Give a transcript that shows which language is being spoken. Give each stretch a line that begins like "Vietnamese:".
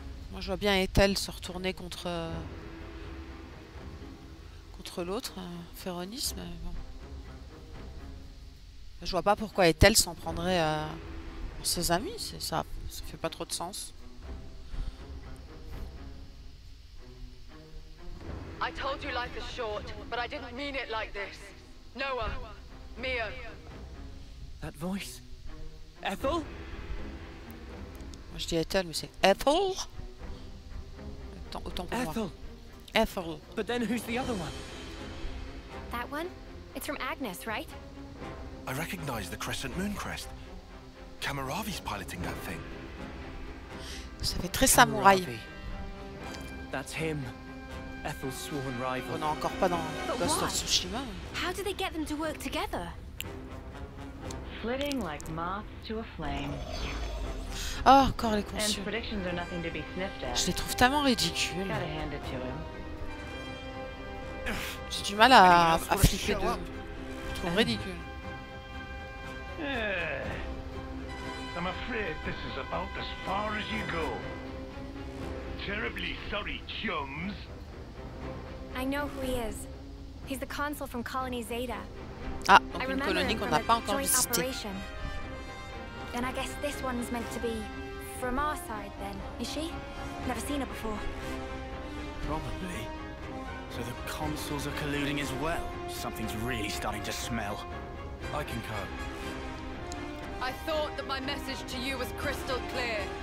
French: Moi, je vois bien Ethel se retourner contre. L'autre, Ferronis, mais bon. Je vois pas pourquoi Ethel s'en prendrait à ses amis, c'est ça, ça fait pas trop de sens.
English: I told you life is short, but I didn't mean it like this. Noah, Mia. That voice. Ethel?
French: Moi je dis Ethel, mais c'est Ethel. Autant pour Ethel. Moi. Ethel.
English: But then who's the other one? That one? It's from Agnes, right? I recognize the crescent moon crest. Kamaravi's piloting that thing.
French: Ça fait très samouraï.
English: That's him. Ethel's sworn rival.
French: On n'est encore pas dans Ghost of Tsushima.
English: How did they get them to work together? Flitting like moths to a flame.
French: Oh, encore les conçus.
English: And predictions are nothing to be sniffed at.
French: Je les trouve tellement ridicules.
English: Gotta hand it to him.
French: J'ai du mal à flipper de. Je trouve ridicule.
English: I'm afraid this is about as far as you go. Terribly sorry, chums. I know who he is. He's the consul from Colony Zeta.
French: Ah, donc une colonie qu'on n'a pas encore visité.
English: Then I guess this one's meant to be from our side then, is she? Never seen her before. Probably. So the consoles are colluding as well. Something's really starting to smell. I concur. I thought that my message to you was crystal clear.